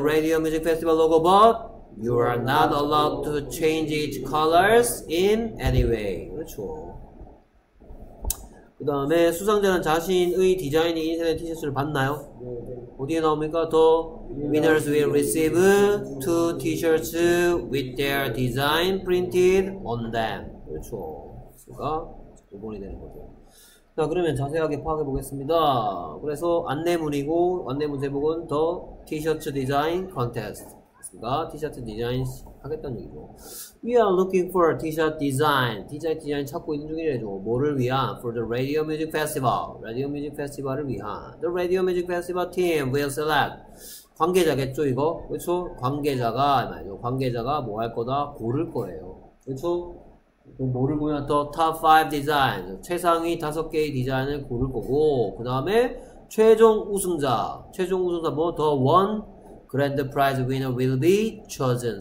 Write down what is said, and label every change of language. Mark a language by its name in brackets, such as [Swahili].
[English] Radio Music Festival logo, but you are not allowed to change its colors in any way. [Korean] 그렇죠. 그 다음에 수상자는 자신의 디자인이 인쇄된 티셔츠를 받나요? 어디에 나옵니까? [English] The winners will receive two t-shirts with their design printed on them. [Korean] 그렇죠. 가 5번이 되는 거죠. 자, 그러면 자세하게 파악해 보겠습니다. 그래서 안내문이고 안내문 제목은 더 티셔츠 디자인 컨테스트. 그러니까 티셔츠 디자인 하겠다는 얘기죠. [English] We are looking for t-shirt design. [Korean] 티셔츠 디자인 찾고 있는 중이래죠. 뭐를 위한? [English] For the Radio Music Festival. [Korean] Radio Music Festival을 위한. [English] The Radio Music Festival team will select. [Korean] 관계자겠죠, 이거. 그렇죠? 관계자가 말이죠. 관계자가 뭐 할 거다? 고를 거예요. 그렇죠? 뭐를 고냐? [English] The top 5 design. [Korean] 최상위 5개의 디자인을 고를 거고, 그 다음에 최종 우승자. 최종 우승자 뭐? [English] The one grand prize winner will be chosen.